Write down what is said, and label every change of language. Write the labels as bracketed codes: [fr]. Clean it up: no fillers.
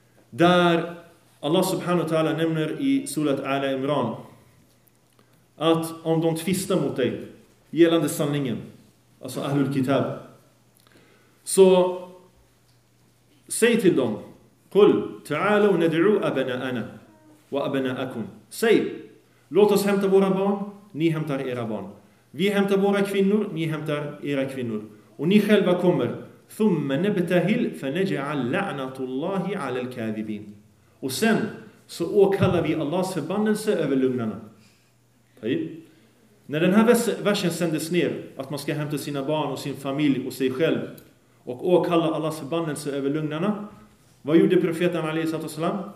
[sv] Där Allah subhanahu wa ta'ala nämner i surat Ala Imran att om de tvistar mot dig gällande sanningen, alltså Ahlul Kitab, så säg till dem, [ar] قل تعالوا ندعو أبناءنا وأبناءكم. [sv] Säg, låt oss hämta våra barn, ni hämtar era barn. Vi hämtar våra kvinnor, ni hämtar era kvinnor. Och ni själva kommer. [ar] ثم نبتهل فنجعل لعنة الله على الكاذبين. [sv] Och sen så åkallar vi Allahs förbannelse över lögnarna. När den här versen sändes ner, att man ska hämta sina barn och sin familj och sig själv och åkalla Allahs förbannelse över lögnarna, vad gjorde profeten alaihissalam?